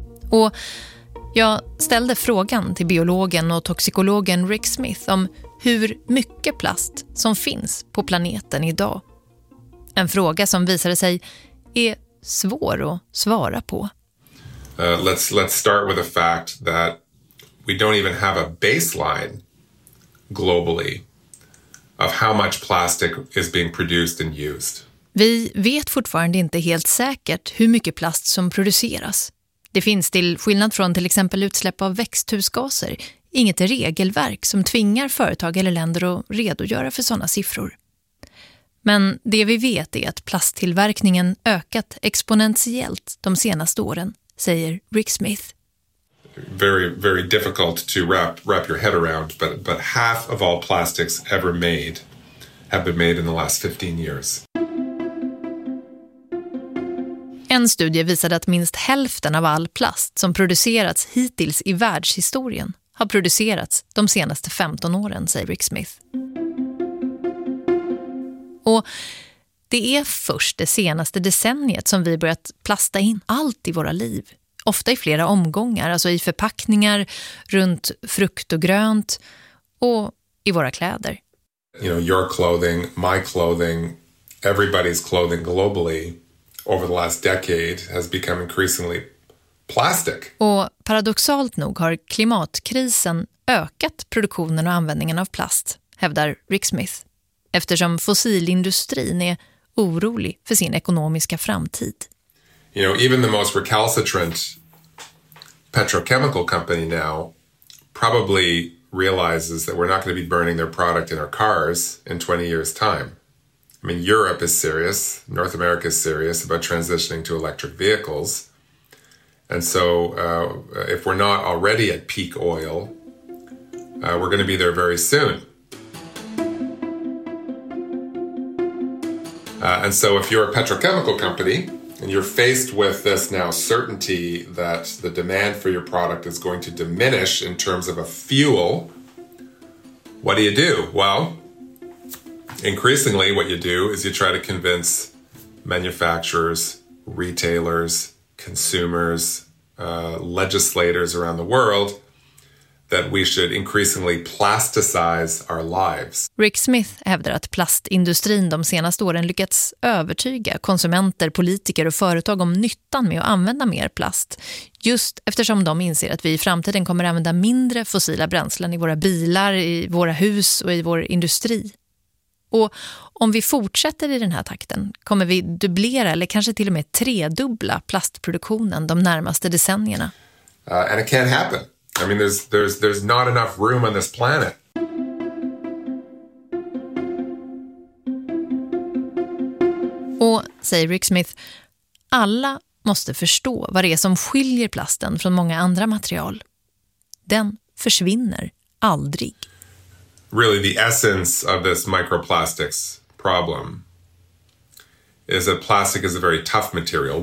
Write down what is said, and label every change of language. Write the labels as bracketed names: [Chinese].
[Swedish] Och jag ställde frågan till biologen och toxikologen Rick Smith om hur mycket plast som finns på planeten idag. En fråga som visade sig är svår att svara på. [English] Let's start with the fact that we don't even have a baseline globally of how much plastic is being produced and used. [Swedish] Vi vet fortfarande inte helt säkert hur mycket plast som produceras. Det finns, till skillnad från till exempel utsläpp av växthusgaser, inget regelverk som tvingar företag eller länder att redogöra för sådana siffror. Men det vi vet är att plasttillverkningen ökat exponentiellt de senaste åren, säger Rick Smith. [English] Very, very difficult to wrap your head around, but half of all plastics ever made have been made in the last 15 years. [Swedish] En studie visade att minst hälften av all plast som producerats hittills i världshistorien har producerats de senaste 15 åren, säger Rick Smith. Och det är först det senaste decenniet som vi börjat plasta in allt i våra liv. Ofta i flera omgångar, alltså i förpackningar, runt frukt och grönt och i våra kläder. [English] You know, your clothing, my clothing, everybody's clothing globally over the last decade has become increasingly plastic. [Swedish] Och paradoxalt nog har klimatkrisen ökat produktionen och användningen av plast, hävdar Rick Smith, eftersom fossilindustrin är orolig för sin ekonomiska framtid. [English] You know, even the most recalcitrant petrochemical company now probably realizes that we're not going to be burning their product in our cars in 20 years time. I mean, Europe is serious, North America is serious about transitioning to electric vehicles. And so if we're not already at peak oil, we're going to be there very soon. And so if you're a petrochemical company, and you're faced with this now certainty that the demand for your product is going to diminish in terms of a fuel, what do you do? Well, increasingly what you do is you try to convince manufacturers, retailers, consumers, legislators around the world that we should increasingly plasticize our lives. [Swedish] Rick Smith hävdar att plastindustrin de senaste åren lyckats övertyga konsumenter, politiker och företag om nyttan med att använda mer plast. Just eftersom de inser att vi i framtiden kommer använda mindre fossila bränslen i våra bilar, i våra hus och i vår industri. Och om vi fortsätter i den här takten kommer vi dubblera eller kanske till och med tredubbla plastproduktionen de närmaste decennierna. [English] And it can't happen. I mean, there's not enough room on this planet. [Swedish] Och säger Rick Smith, alla måste förstå vad det är som skiljer plasten från många andra material. Den försvinner aldrig. [English] Really, the essence of this microplastics problem is that plastic is a very tough material.